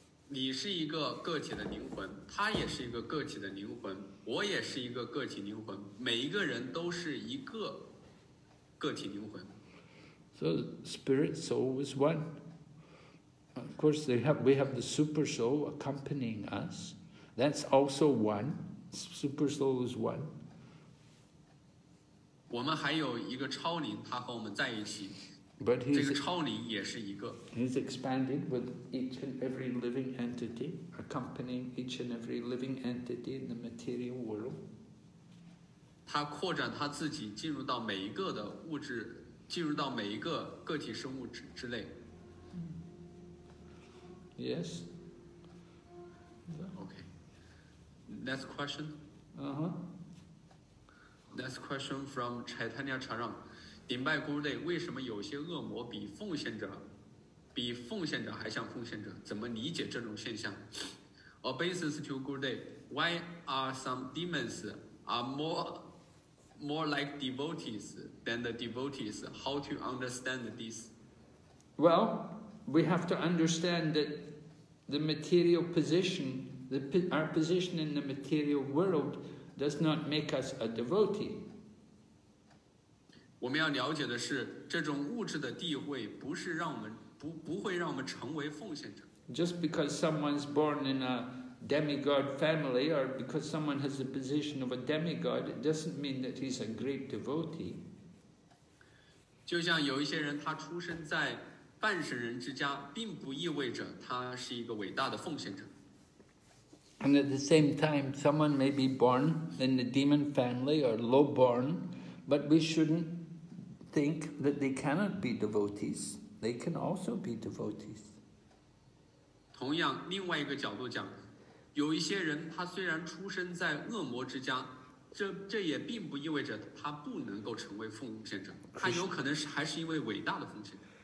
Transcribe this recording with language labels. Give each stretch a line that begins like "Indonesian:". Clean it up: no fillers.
Chinese: 你是一个个体的灵魂，他也是一个个体的灵魂，我也是一个个体灵魂，每一个人都是一个个体灵魂。
English: So spirit soul is one. Of course, we have the super soul accompanying us. That's also one. Super soul is one.
Chinese: 我们还有一个超灵，他和我们在一起。
English: But he's
Chinese: 这个超灵也是一个。
English: He's expanded with each and every living entity, accompanying each and every living entity in the material world.
Chinese: 他扩展他自己，进入到每一个的物质，进入到每一个个体生物之内。
English: Yes. Next question. Next question from Chaitanya Charan.
Chinese: 顶拜孤类，为什么有些恶魔比奉献者还像奉献者？怎么理解这种现象 ？
English: Obeisance to Guru Dev. Why are some demons are more like devotees than the devotees? How to understand this? Well, we have to understand that the material position. Our position in the material world does not make us a devotee.
Chinese: 我们要了解的是，这种物质的地位不是让我们不会让我们成为奉献者。
English: Just because someone's born in a demigod family or because someone has the position of a demigod, it doesn't mean that he's a great devotee.
Chinese: 就像有一些人他出生在半神人之家，并不意味着他是一个伟大的奉献者。
English: And at the same time, someone may be born in the demon family or low born, but we shouldn't think that they cannot be devotees. They can also be devotees.
Chinese: 同样，另外一个角度讲，有一些人他虽然出生在恶魔之家，这也并不意味着他不能够成为奉献者，他有可能还是一位伟大的奉献者。